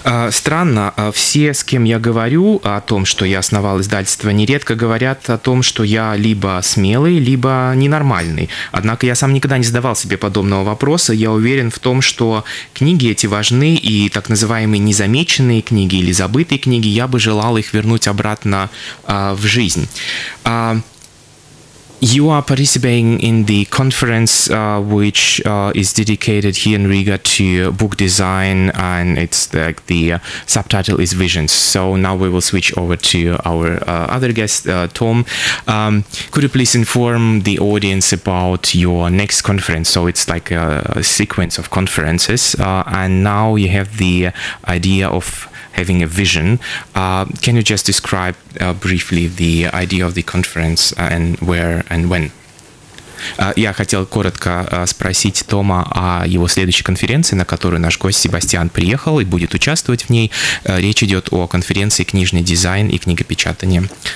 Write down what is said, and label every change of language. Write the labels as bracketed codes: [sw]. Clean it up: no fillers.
[ru] Странно, все, с кем я говорю о том, что я основал издательство, нередко говорят о том, что я либо смелый, либо ненормальный. Однако я сам никогда не задавал себе подобного вопроса. Я уверен в том, что книги эти важны, и так называемые незамеченные книги или забытые книги, я бы желал их вернуть обратно в жизнь. [en] You are participating in the conference, which is dedicated here in Riga to book design, and it's like the subtitle is Visions. So now we will switch over to our other guest, Tom. Could you please inform the audience about your next conference? So it's like a sequence of conferences, and now you have the idea of having a vision. Can you just describe briefly the idea of the conference and where and when? [ru] Я хотел коротко спросить Тома о его следующей конференции, на которую наш гость Себастьян приехал и будет участвовать в ней. Речь идет о конференции «Книжный дизайн и книгопечатание».